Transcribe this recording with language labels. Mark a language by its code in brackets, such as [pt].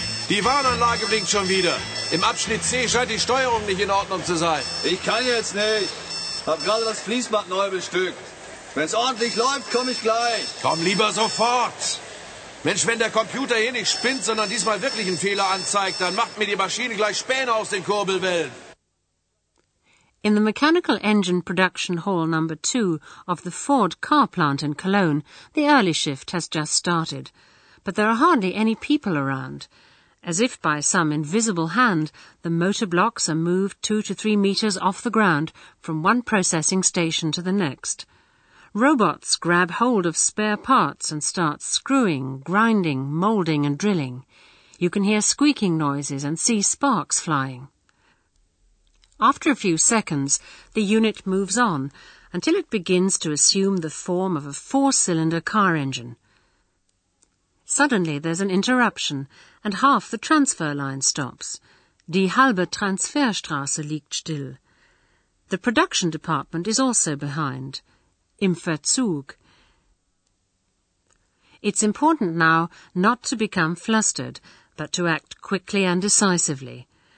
[de] Die Warnanlage blinkt schon wieder. Im Abschnitt C scheint die Steuerung nicht in Ordnung zu sein. Ich kann jetzt nicht. Hab gerade das Fließband neu bestückt. Wenn's ordentlich läuft, komm ich gleich. Komm lieber sofort. Mensch, wenn der Computer hier nicht spinnt, sondern diesmal wirklich einen Fehler anzeigt, dann macht mir die Maschine gleich Späne aus den Kurbelwellen. [en] In the mechanical engine production hall number 2 of the Ford car plant in Cologne, the early shift has just started. But there are hardly any people around. As if by some invisible hand, the motor blocks are moved 2 to 3 meters off the ground from one processing station to the next. Robots grab hold of spare parts and start screwing, grinding, molding and drilling. You can hear squeaking noises and see sparks flying. After a few seconds, the unit moves on until it begins to assume the form of a 4-cylinder car engine. Suddenly there's an interruption and half the transfer line stops. [de] Die halbe Transferstraße liegt still. [en] The production department is also behind. [de] Im Verzug. [en] It's important now not to become flustered, but to act quickly and decisively.